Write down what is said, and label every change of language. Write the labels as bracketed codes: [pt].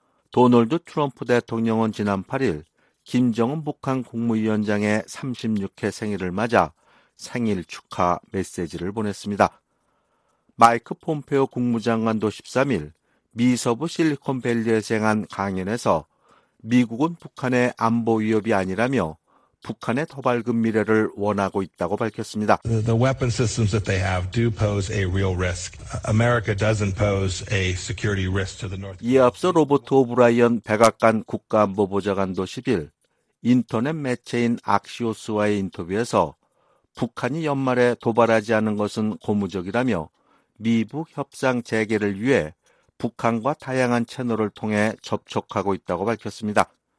[ko] 도널드 트럼프 대통령은 지난 8일 김정은 북한 국무위원장의 36회 생일을 맞아 생일 축하 메시지를 보냈습니다. 마이크 폼페오 국무장관도 13일 미서부 실리콘밸리에서 행한 강연에서 미국은 북한의 안보 위협이 아니라며 북한의 더 밝은 미래를 원하고 있다고 밝혔습니다. [en] The weapon systems that they have do pose a real risk. America doesn't pose a security risk to the North. [ko] 이에 앞서 로버트 오브라이언 백악관 국가안보보좌관도 10일 인터넷 매체인 악시오스와의 인터뷰에서 북한이 연말에 도발하지 않은 것은 고무적이라며 미북 협상 재개를 위해 북한과 다양한 채널을 통해 접촉하고 있다고 밝혔습니다.